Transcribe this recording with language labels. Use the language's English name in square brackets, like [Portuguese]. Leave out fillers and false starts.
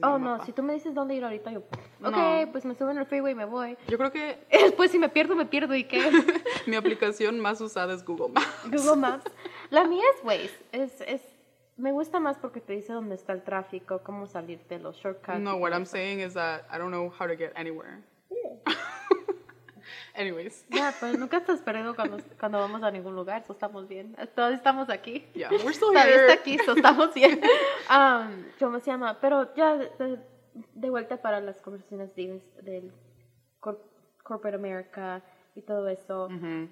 [Spanish] mapa. Oh, no. Si tú me dices dónde ir ahorita, yo, okay, no. Pues me subo en el freeway y me voy. Yo creo que... Después si me pierdo, me pierdo. ¿Y qué? Mi aplicación más usada es Google Maps. Google Maps. La mía es Waze. Es me gusta más porque te dice dónde está el tráfico, cómo salir de los shortcuts. [English] No, what I'm saying is that I don't know how to get anywhere. Anyways. [Spanish] Yeah, pues nunca estás perdido cuando vamos a ningún lugar, so estamos bien. Todos estamos aquí. [English] Yeah, we're still here. [Spanish] Está aquí, so estamos bien. ¿Cómo se llama? Pero ya de vuelta para las conversaciones del Corporate America y todo eso. Mm-hmm.